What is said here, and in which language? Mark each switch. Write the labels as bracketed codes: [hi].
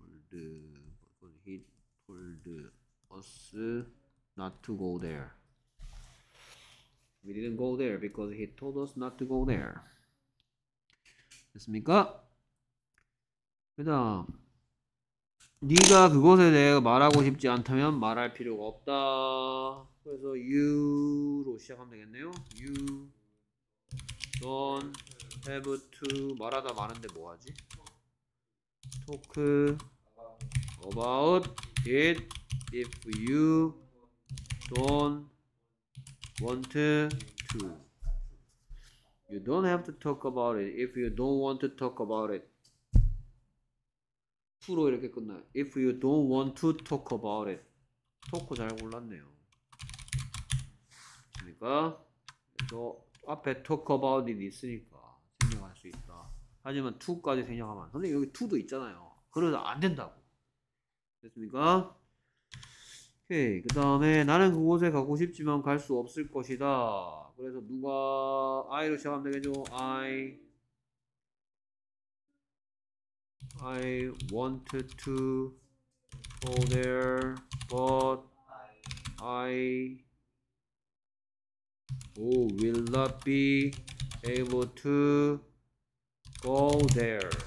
[en] Told, because he told us not to go there. We didn't go there because he told us not to go there. [ko] 됐습니까? 그다음 네가 그것에 대해 말하고 싶지 않다면 말할 필요가 없다. 그래서 you로 시작하면 되겠네요. [en] You don't have to [ko] 말하다 많은데 뭐하지? [en] Talk about it if you don't want to. You don't have to talk about it if you don't want to talk about it. [ko] 투로 이렇게 끝나요. [en] If you don't want to talk about it. [ko] 토크 잘 골랐네요. 그러니까 또 앞에 [en] talk about it [ko] 있으니까 생략할 수 있다. 하지만 to까지 생략하면 안. 근데 여기 to도 있잖아요. 그래서 안 된다고. 됐습니까? 오케이. 그 다음에 나는 그곳에 가고 싶지만 갈 수 없을 것이다. 그래서 누가 I로 시작하면 되겠죠. [en] I wanted to go there, but I will not be able to go there.